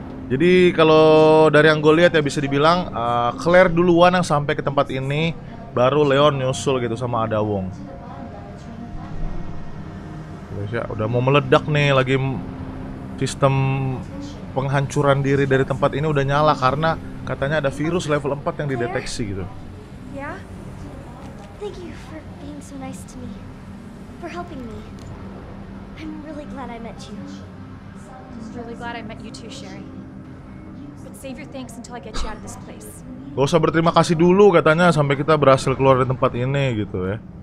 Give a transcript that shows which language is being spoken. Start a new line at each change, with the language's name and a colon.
Indonesian: Jadi kalau dari yang gue lihat ya bisa dibilang Claire duluan yang sampai ke tempat ini, baru Leon nyusul gitu sama Ada Wong. Udah mau meledak nih lagi sistem penghancuran diri dari tempat ini udah nyala karena katanya ada virus level 4 yang dideteksi gitu. Ya.
English: Thank you for being so nice to me. For helping me. I'm really glad I met you. Just really glad I met you too, Sherry. Save your thanks until I get you out of this place.
Indonesian: Gak usah berterima kasih dulu katanya sampai kita berhasil keluar dari tempat ini gitu ya.